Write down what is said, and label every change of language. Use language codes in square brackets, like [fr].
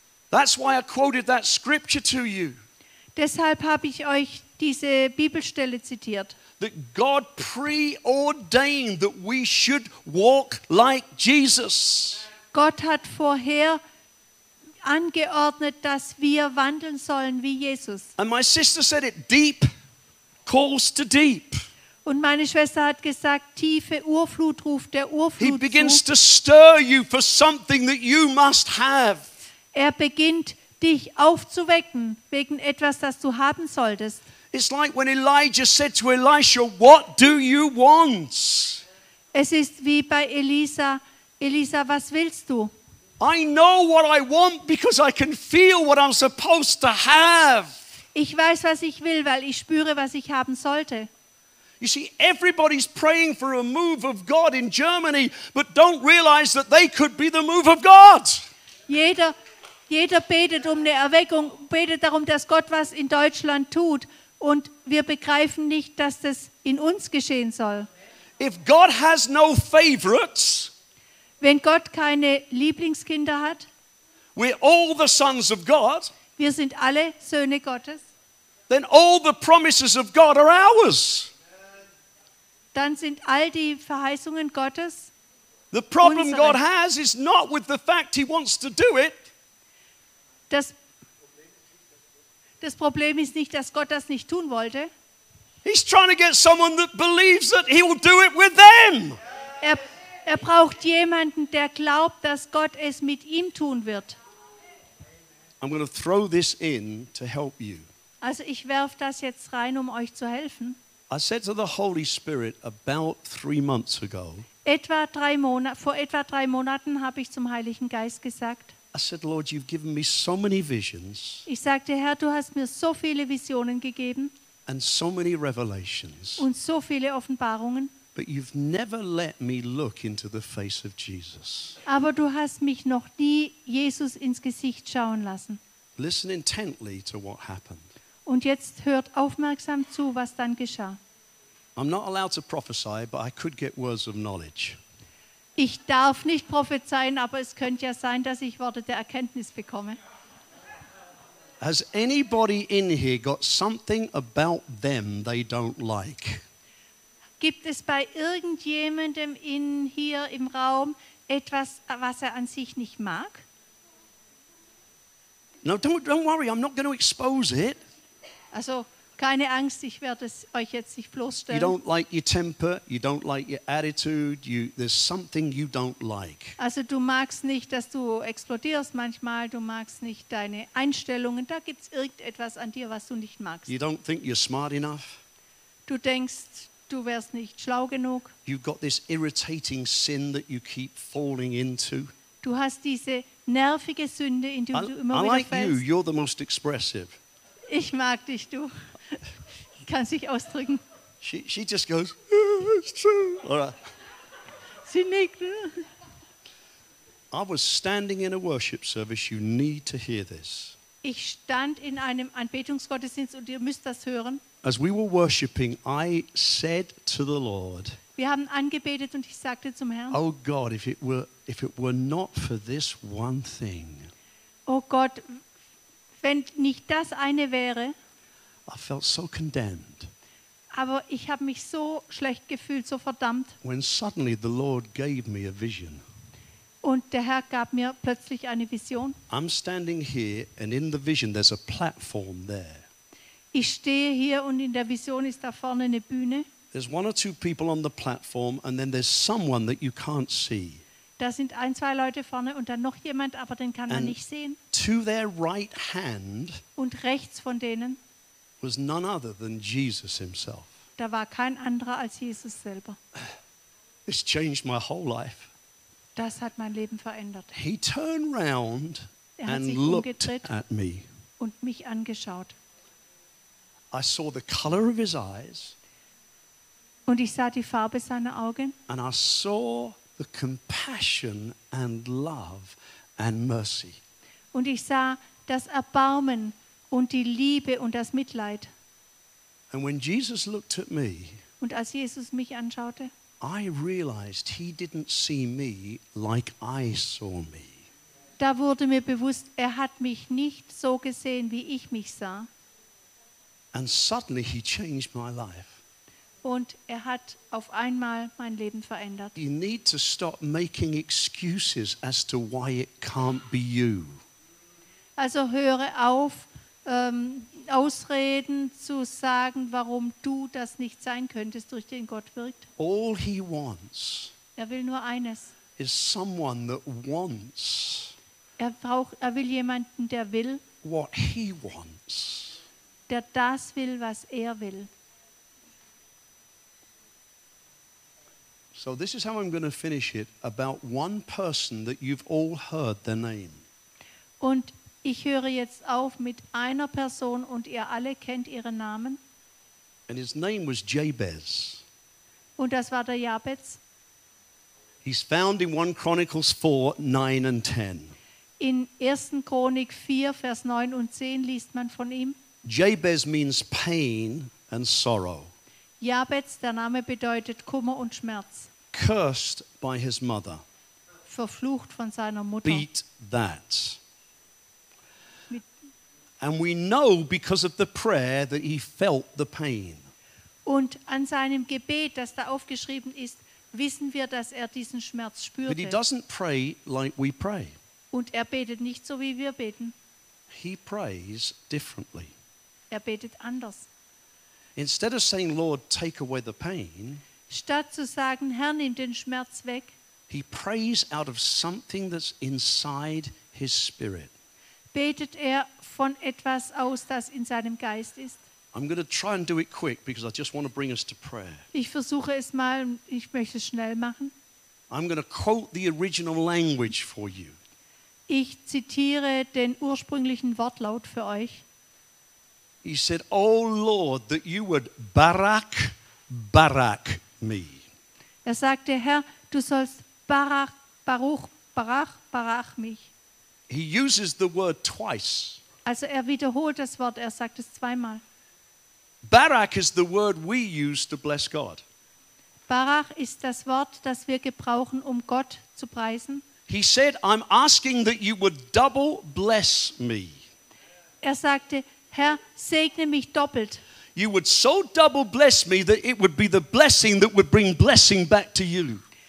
[en] That's why I quoted that scripture to you. [de] Deshalb habe ich euch diese Bibelstelle zitiert. [en] That God preordained that we should walk like Jesus. [de] Gott hat vorher angeordnet, dass wir wandeln sollen wie Jesus. [en] And my sister said it, deep calls to deep. [de] Und meine Schwester hat gesagt, tiefe Urflut ruft der Urflut zu. [en] He begins to stir you for something that you must have. [de] Er beginnt dich aufzuwecken wegen etwas, das du haben solltest. [en] It's like when Elijah said to Elisha, "What do you want?" [de] Es ist wie bei Elisa. Elisa, was willst du? [en] I know what I want because I can feel what I'm supposed to have. [de] Ich weiß, was ich will, weil ich spüre, was ich haben sollte. [en] You see, everybody's praying for a move of God in Germany, but don't realize that they could be the move of God. [de] Jeder betet um eine Erweckung, betet darum, dass Gott was in Deutschland tut, und wir begreifen nicht, dass das in uns geschehen soll. [en] If God has no favorites, [de] wenn Gott keine Lieblingskinder hat, [en] we're all the sons of God, [de] wir sind alle Söhne Gottes, [en] then all the promises of God are ours. [de] Dann sind all die Verheißungen Gottes [en] the problem [de] unsere. [en] God has is not with the fact he wants to do it. [de] Das Problem ist nicht, dass Gott das nicht tun wollte. [en] He's trying to get someone that believes that he will do it with them. [de] Er braucht jemanden, der glaubt, dass Gott es mit ihm tun wird. [en] I'm going to throw this in to help you. [de] Also ich werf das jetzt rein, um euch zu helfen. [en] I said to the Holy Spirit about 3 months ago. [de] Vor etwa drei Monaten habe ich zum Heiligen Geist gesagt. [en] I said, Lord, you've given me so many visions. [de] Ich sagte, Herr, du hast mir so viele Visionen gegeben. [en] And so many revelations. [de] Und so viele Offenbarungen. [en] But you've never let me look into the face of Jesus. [de] Aber du hast mich noch nie Jesus ins Gesicht schauen lassen. [en] Listen intently to what happened. [de] Und jetzt hört aufmerksam zu, was dann geschah. [en] I'm not allowed to prophesy, but I could get words of knowledge. [de] Ich darf nicht prophezeien, aber es könnte ja sein, dass ich Worte der Erkenntnis bekomme. [en] Has anybody in here got something about them they don't like? [de] Gibt es bei irgendjemandem in hier im Raum etwas, was er an sich nicht mag? [en] No, don't worry, I'm not going to expose it. [de] Also, keine Angst, ich werde es euch jetzt nicht bloßstellen. [en] You don't like your temper, you don't like your attitude, there's something you don't like. [de] Also, du magst nicht, dass du explodierst manchmal, du magst nicht deine Einstellungen, da gibt es irgendetwas an dir, was du nicht magst. [en] You don't think you're smart enough. [de] Du denkst, du wärst nicht schlau genug. [en] You've got this irritating sin that you keep falling into. [de] Du hast diese nervige Sünde, in die du immer wieder fällst. [en] I like you, you're the most expressive. [de] Ich mag dich, du. Ich kann sich ausdrücken. [en] She just goes, yeah, it's true. All right. [de] Sie nickt. [en] I was standing in a worship service. You need to hear this. [de] Ich stand in einem Anbetungsgottesdienst und ihr müsst das hören. [en] As we were worshiping, I said to the Lord, [de] wir haben angebetet und ich sagte zum Herrn, [en] oh God, if it were not for this one thing. [de] Oh Gott, wenn nicht das eine wäre. [en] I felt so condemned. [de] Aber ich habe mich so schlecht gefühlt, so verdammt. [en] When suddenly the Lord gave me a vision. [de] Und der Herr gab mir plötzlich eine Vision. [en] I'm standing here and in the vision there's a platform there. [de] Ich stehe hier und in der Vision ist da vorne eine Bühne. [en] There's one or two people on the platform and then there's someone that you can't see. [de] Da sind ein, zwei Leute vorne und dann noch jemand, aber den kann man nicht sehen. [en] To their right hand [de] und rechts von denen [en] was none other than Jesus himself. [de] Da war kein anderer als Jesus selber. [en] This changed my whole life. [de] Das hat mein Leben verändert. [en] He turned round and looked at me [de] und mich angeschaut. [en] I saw the color of his eyes. [de] Und ich sah die Farbe seiner Augen. [en] And I saw the compassion and love and mercy. [de] Und ich sah das Erbarmen und die Liebe und das Mitleid. [en] And when Jesus looked at me, [de] und als Jesus mich anschaute, [en] I realized he didn't see me like I saw me. [de] Da wurde mir bewusst, er hat mich nicht so gesehen, wie ich mich sah. [en] And suddenly he changed my life. [de] Und er hat auf einmal mein Leben verändert. [en] You need to stop making excuses as to why it can't be you. [de] Also höre auf, Ausreden zu sagen, warum du das nicht sein könntest, durch den Gott wirkt. [en] All he wants, [de] er will nur eines. [en] Is someone that wants, [de] er will jemanden, der will, [en] what he wants, [de] der das will, was er will. [en] So this is how I'm going to finish it, about one person that you've all heard their name. [de] Und ich höre jetzt auf mit einer Person und ihr alle kennt ihren Namen. [en] And his name was Jabez. [de] Und das war der Jabez. [en] He's found in 1 Chronicles 4, 9 and 10. [de] In 1. Chronik 4, Vers 9 und 10 liest man von ihm. [en] Jabez means pain and sorrow. [de] Jabez, der Name bedeutet Kummer und Schmerz. [en] Cursed by his mother. [de] Verflucht von seiner Mutter. [en] Beat that. And we know because of the prayer that he felt the pain. [de] Und an seinem Gebet, das da aufgeschrieben ist, wissen wir, dass er diesen Schmerz spürte. [en] But he doesn't pray like we pray. [de] Und er betet nicht so, wie wir beten. [en] He prays differently. [de] Er betet anders. [en] Instead of saying, Lord, take away the pain, [de] statt zu sagen, Herr, nimm den Schmerz weg, [en] he prays out of something that's inside his spirit. [de] Betet er von etwas aus, das in seinem Geist ist. [en] I'm going to try and do it quick because I just want to bring us to prayer. [de] Ich versuche es mal, ich möchte es schnell machen. [en] I'm going to quote the original language for you. [de] Ich zitiere den ursprünglichen Wortlaut für euch. [en] He said, "Oh Lord, that you would barak, barak me." [de] Er sagte, Herr, du sollst barak, baruch, barak, barak mich. [en] He uses the word twice. [de] Also er wiederholt das Wort, er sagt es zweimal. [en] Barak is the word we use to bless God. [de] Barak ist das Wort, das wir gebrauchen, um Gott zu preisen. [en] He said, "I'm asking that you would double bless me." [de] Er sagte, Herr, segne mich doppelt. [en] You would so double bless me that it would be the blessing that would bring blessing back to you.